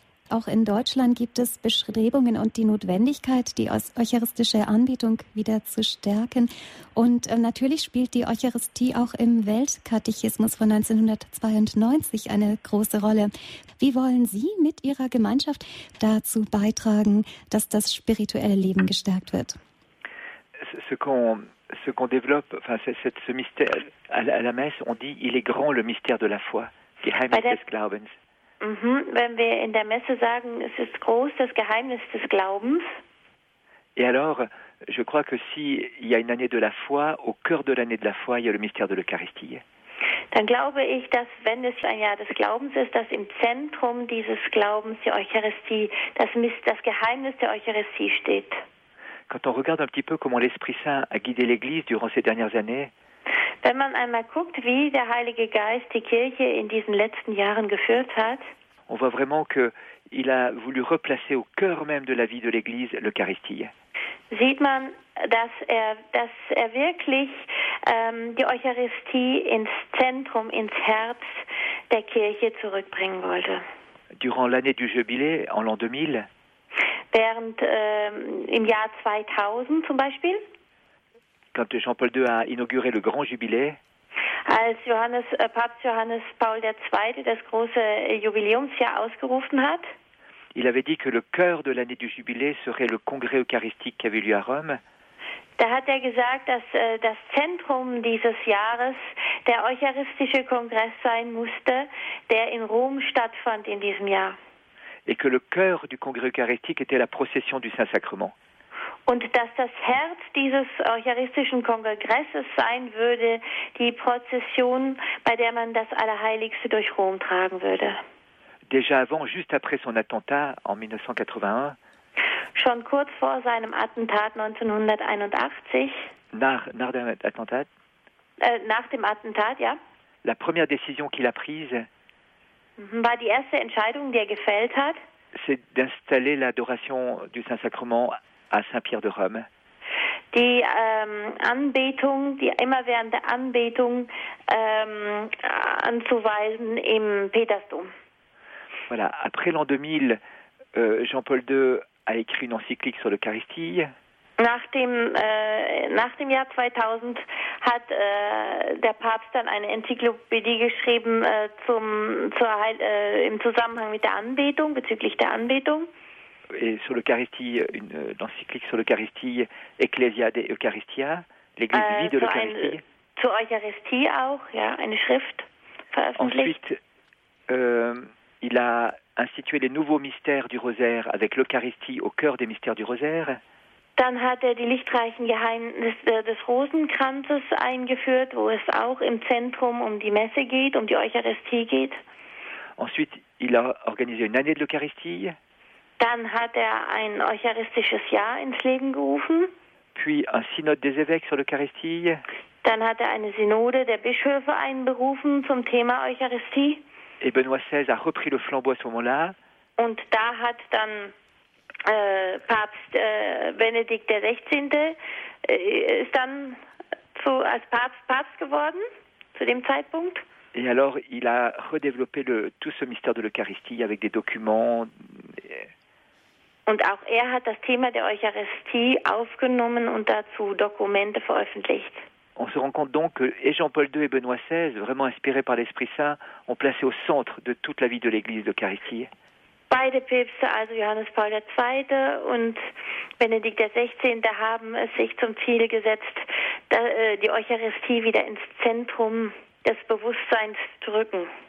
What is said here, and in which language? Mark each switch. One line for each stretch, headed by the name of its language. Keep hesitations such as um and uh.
German: Auch in Deutschland gibt es Bestrebungen und die Notwendigkeit, die aus- eucharistische Anbetung wieder zu stärken. Und äh, natürlich spielt die Eucharistie auch im Weltkatechismus von 1992 eine große Rolle. Wie wollen Sie mit Ihrer Gemeinschaft dazu beitragen, dass das spirituelle Leben gestärkt wird?
French: ce- ce qu'on ce qu'on développe, enfin c'est- c'est ce mystère à la, à la messe, on dit il est grand le mystère de la foi,
German: Geheimnis
French: Madame-
German: des Glaubens. Mhm. Wenn wir in der Messe sagen, es ist groß das Geheimnis des Glaubens,
French: Et alors, je crois que si il y a une année de la foi, au cœur de l'année de la foi, il y a le mystère de l'Eucharistie.
German: dann glaube ich, dass wenn es ein Jahr des Glaubens ist, dass im Zentrum dieses Glaubens die Eucharistie, das, Mis- das Geheimnis der Eucharistie steht.
French: Quand on regarde un petit peu comment l'Esprit Saint a guidé l'Église durant ces dernières années,
German: Wenn man einmal guckt, wie der Heilige Geist die Kirche in diesen letzten Jahren geführt hat,
French: on voit vraiment que il a voulu replacer au cœur même de la vie de l'Église l'Eucharistie.
German: sieht man, dass er, dass er wirklich ähm, die Eucharistie ins Zentrum, ins Herz der Kirche zurückbringen wollte.
French: Durant l'année du Jubilé, en l'an 2000,
German: Während ähm, im Jahr 2000 zum Beispiel,
French: quand Jean-Paul II a inauguré le grand Jubilé,
German: als Johannes, äh, Papst Johannes Paul II. das große Jubiläumsjahr ausgerufen hat,
French: Il avait dit que le cœur de l'année du jubilé serait le congrès eucharistique qui avait lieu à Rome,
German: Da hat er gesagt, dass äh, das Zentrum dieses Jahres der Eucharistische Kongress sein musste, der in Rom stattfand in diesem Jahr.
French: et que le cœur du congrès eucharistique était la procession du Saint-Sacrement.
German: Und dass das Herz dieses Eucharistischen Kongresses sein würde, die Prozession, bei der man das Allerheiligste durch Rom tragen würde.
French: Déjà avant, juste après son attentat en 1981,
German: Schon kurz vor seinem Attentat 1981,
French: Nard, Nard d'un attentat,
German: äh, nach dem Attentat, ja,
French: la première décision qu'il a prise,
German: war die erste Entscheidung, die er gefällt hat,
French: c'est d'installer l'adoration du Saint-Sacrement à Saint-Pierre de Rome.
German: die ähm, Anbetung, die immerwährende Anbetung ähm, anzuweisen im Petersdom.
French: Voilà. Après l'an 2000, euh, Jean-Paul II a écrit une encyclique sur l'Eucharistie.
German: Nach dem, äh, nach dem Jahr 2000 hat äh, der Papst dann eine Enzyklopädie geschrieben äh, zum, zur Heil, äh, im Zusammenhang mit der Anbetung, bezüglich der Anbetung.
French: et sur l'Eucharistie, une euh, encyclique sur l'Eucharistie, Ecclesia de Eucharistia, l'Église Äh, vie de
German: zu ein,
French: l'Eucharistie.
German: zur Eucharistie auch, ja, eine Schrift veröffentlicht.
French: Ensuite, euh, il a institué effectué les nouveaux mystères du rosaire avec l'Eucharistie au cœur des mystères du rosaire.
German: Dann hat er die lichtreichen Geheimnisse des Rosenkranzes eingeführt, wo es auch im Zentrum um die Messe geht, um die Eucharistie geht.
French: Ensuite, il a organisé une année de l'Eucharistie,
German: Dann hat er ein eucharistisches Jahr ins Leben gerufen.
French: puis un synode des évêques sur l'Eucharistie,
German: Dann hat er eine Synode der Bischöfe einberufen zum Thema Eucharistie.
French: et Benoît XVI a repris le flambeau à ce moment-là.
German: Und da hat dann äh, Papst äh, Benedikt XVI. Äh, ist dann zu, als Papst Papst geworden zu dem Zeitpunkt.
French: Et alors, il a redéveloppé le, tout ce mystère de l'Eucharistie avec des documents.
German: Und auch er hat das Thema der Eucharistie aufgenommen und dazu Dokumente veröffentlicht.
French: On se rend compte donc que et Jean-Paul II et Benoît XVI, vraiment inspirés par l'Esprit Saint, ont placé au centre de toute la vie de l'Église l'Eucharistie.
German: Beide Päpste, also Johannes Paul II. und Benedikt XVI., haben es sich zum Ziel gesetzt, da- äh, die Eucharistie wieder ins Zentrum des Bewusstseins zu rücken.